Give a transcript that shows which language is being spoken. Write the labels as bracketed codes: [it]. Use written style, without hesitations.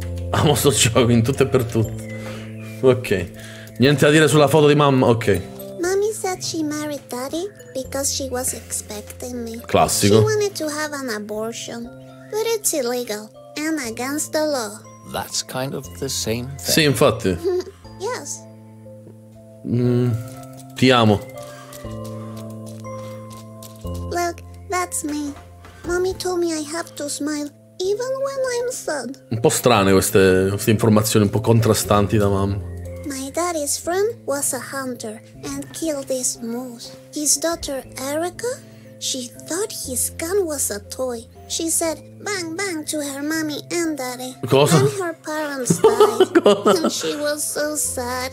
[it] Amo sto gioco in tutto e per tutto. Ok. Niente da dire sulla foto di mamma. Ok. [en] Mommy said she married daddy because she was expecting me. [it] Classico. [en] She wanted to have an abortion, but it's illegal and against the law. That's kind of the same thing. [it] Sì, infatti. [en] Yes. [it] Ti amo. [en] Look, that's me. Mommy told me I have to smile. Even when I'm sad. [it] Un po' strane queste informazioni un po' contrastanti da mamma. [en] My daddy's friend was a hunter and killed this moose. His daughter Erica, she thought his gun was a toy. She said bang bang to her mommy and daddy. [it] Cosa? [en] When her parents died. And she was so sad.